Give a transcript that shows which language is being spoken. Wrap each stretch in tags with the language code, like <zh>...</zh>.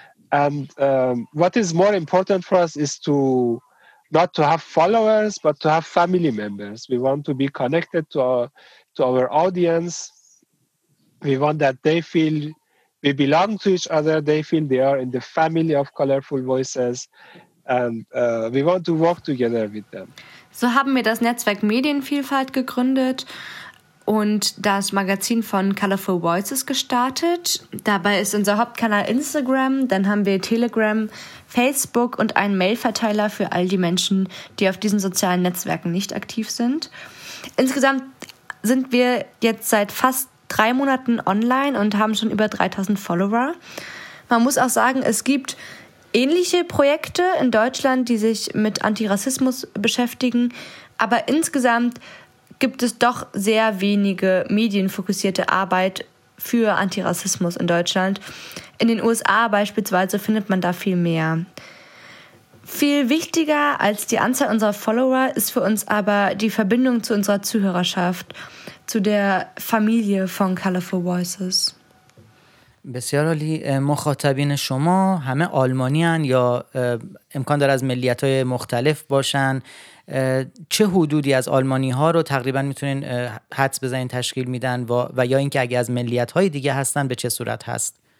<en>And what is more important for us is to not to have followers, but to have family members. We want to be connected to our audience. We want that they feel we belong to each other, they feel they are in the family of Colorful Voices, and we want to work together with them.</en> <de>So haben wir das Netzwerk Medienvielfalt gegründet und das Magazin von Colorful Voices gestartet. Dabei ist unser Hauptkanal Instagram, dann haben wir Telegram, Facebook und einen Mailverteiler für all die Menschen, die auf diesen sozialen Netzwerken nicht aktiv sind. Insgesamt sind wir jetzt seit fast 3 Monaten online und haben schon über 3000 Follower. Man muss auch sagen, es gibt ähnliche Projekte in Deutschland, die sich mit Antirassismus beschäftigen, aber insgesamt gibt es doch sehr wenige medienfokussierte Arbeit für Antirassismus in Deutschland. In den USA beispielsweise findet man da viel mehr. Viel wichtiger als die Anzahl unserer Follower ist für uns aber die Verbindung zu unserer Zuhörerschaft, zu der Familie von Colorful Voices.</de> <fa>بسیار عالی. مخاطبین شما همه آلمانی هن یا امکان داره از ملیت های مختلف باشن؟ چه حدودی از آلمانی ها رو تقریبا میتونین حدس بزنین تشکیل میدن و یا اینکه اگه از ملیت های دیگه هستن به چه صورت هست؟</fa>